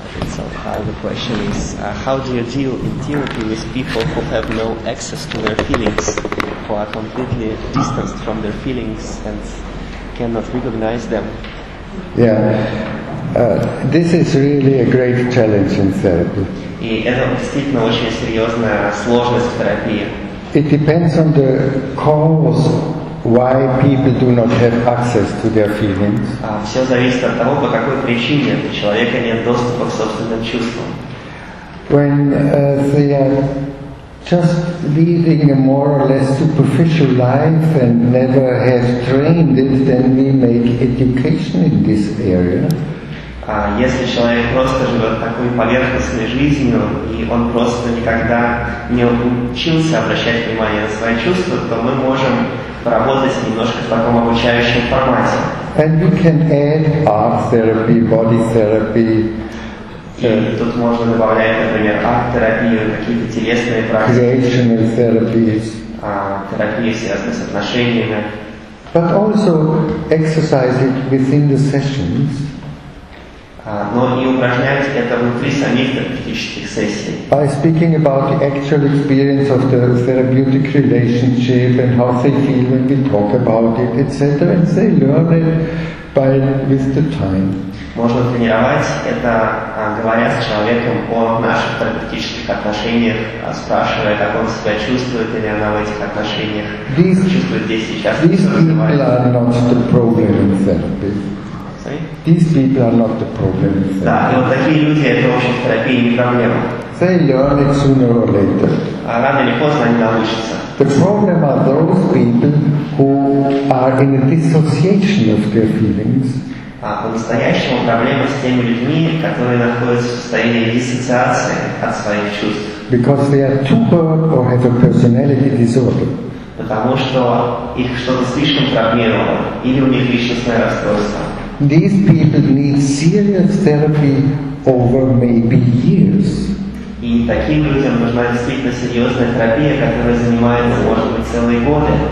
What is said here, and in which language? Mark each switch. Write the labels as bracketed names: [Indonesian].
[English] So, the question is, how do you deal in therapy with people who have no access to their feelings, who are completely distanced from their feelings and cannot recognize them? Yeah, this is really a great challenge in therapy. [Russian] И это действительно очень серьезная сложность в терапии. [English] It depends on the cause why people do not have access to their feelings. [Russian] Все зависит от того, по какой причине у человека нет доступа к собственным чувствам. [English] When they are just leading a more or less superficial life and never have trained it, then we make education in this area. [Russian] Если человек просто живет такой поверхностной жизнью и он просто никогда не учился обращать внимание на свои чувства, то мы можем поработать немножко в таком обучающем формате. [English] And we can add art therapy, body therapy. [Russian] И тут можно добавлять, например, арт-терапию, какие-то телесные практики. [English] Creational therapies. [Russian] Терапии, связанные с отношениями. [English] But also exercise it within the sessions. [Russian] Но и упражнять это внутри самих практических сессий. [English] By speaking about the actual experience of the therapeutic relationship and how they feel when we talk about it, etc. And they learn it by with the time. [Russian] Можно тренировать это, говоря с человеком о наших терапевтических отношениях, спрашивая, как он себя чувствует или она в этих отношениях чувствует здесь сейчас. [English] These people are not the problem in therapy. These people are not the problem in therapy. [Russian] Да, вот такие люди, это в общем в терапии не проблема. [English] They learn it sooner or later. [Russian] Рано или поздно они научатся. [English] The problem are those people who are in a dissociation of their feelings. [Russian] По-настоящему проблема с теми людьми, которые находятся в состоянии диссоциации от своих чувств. [English] Because they are too hurt or have a personality disorder. [Russian] Потому что их что-то слишком травмировало, или у них личностное расстройство. [English] These people need serious therapy over maybe years. [Russian] И таким людям нужна действительно серьезная терапия, которая занимается, может быть, целые годы.